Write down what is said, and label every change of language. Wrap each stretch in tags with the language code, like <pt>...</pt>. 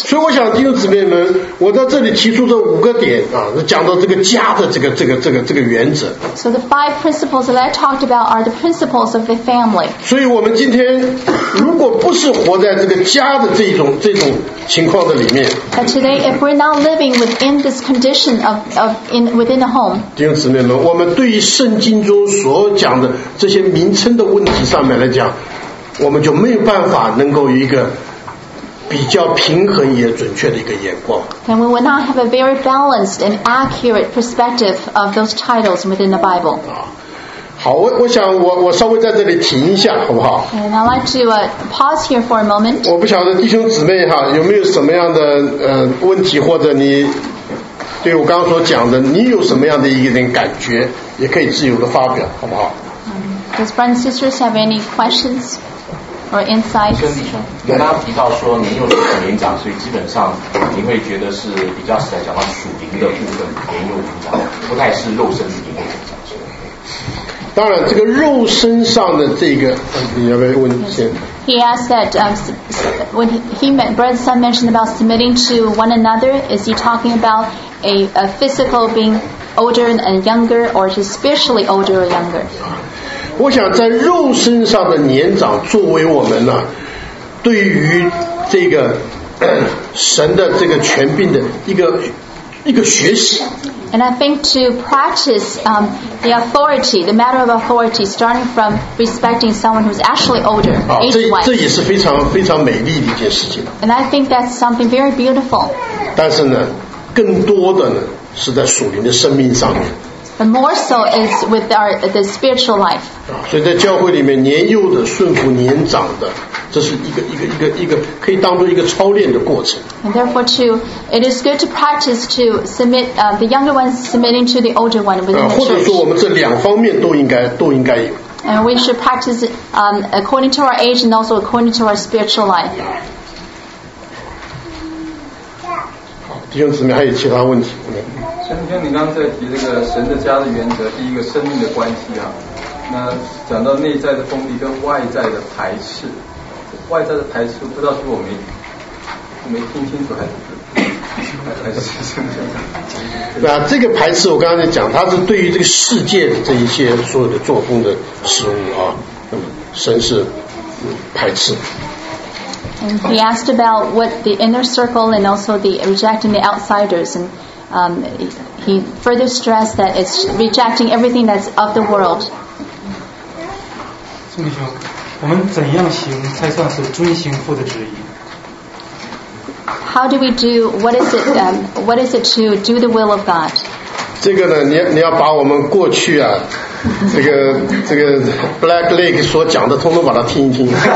<zh>所以我想弟兄姊妹们，我在这里提出这五个点啊，讲到这个家的这个原则。</zh> <en>So the five principles that I talked about are the principles of the family.</en> <zh>所以我们今天如果不是活在这个家的这种情况的里面。</zh> <en>But today, if we're not living within this condition within the home,</en> <zh>弟兄姊妹们，我们对于圣经中所讲的这些名称的问题上面来讲，我们就没有办法能够一个比较平衡也准确的一个眼光。</zh> <en>Then we will not have a very balanced and accurate perspective of those titles within the Bible.</en> <zh>好，我想我稍微在这里停一下，好不好？</zh> <en>And I'd like to pause here for a moment.</en> <zh>我不晓得弟兄姊妹哈，有没有什么样的问题，或者你对我刚刚所讲的，你有什么样的一点感觉，也可以自由的发表，好不好？</zh> <en>Does brothers and sisters have any questions or insights?</en> <zh>你刚刚提到说你有属灵长，所以基本上你会觉得是比较是在讲到属灵的部分，灵有灵长，不太是肉身的灵有灵长。当然这个肉身上的这个你要不要问先</zh> <en>He asked that when Brother Sun mentioned about submitting to one another, is he talking about a physical being older and younger, or especially older or younger?</en> <zh>我想在肉身上的年长作为我们呢，对于这个神的这个权柄的一个学习。</zh> <en>And I think to practice the authority, the matter of authority, starting from respecting someone who's actually older, age-wise.</en> <zh>这也是非常非常美丽的一件事情。</zh> <en>And I think that's something very beautiful.</en> <zh>但是呢，更多的呢，是在属灵的生命上面。</zh> <en>But more so is with the spiritual life.</en> <zh>所以在教会里面，年幼的顺服年长的，这是一个可以当做一个操练的过程。</zh> <en>And therefore, too, it is good to practice to submit the younger ones submitting to the older one within the church.</en> <zh>或者说，我们这两方面都应该有。</zh> <en>And we should practice according to our age and also according to our spiritual life.</en> <zh>弟兄姊妹，还有其他问题？今天你刚才提这个神的家的原则，第一个生命的关系啊，那讲到内在的封闭跟外在的排斥，外在的排斥不知道是不是我没听清楚还是那这个排斥我刚才讲，它是对于这个世界的这一些所有的作风的事物啊，神是排斥。</zh> <en>And he asked about what the inner circle and also the rejecting the outsiders and he further stressed that it's rejecting everything that's of the world.</en> <zh>宋弟兄，我们怎样行才算是遵行父的旨意？</zh> <en>How do we do? What is it to do the will of God?</en> <zh>这个呢，你要把我们过去啊，这个 Black Lake 所讲的，通通把它听一听。</zh>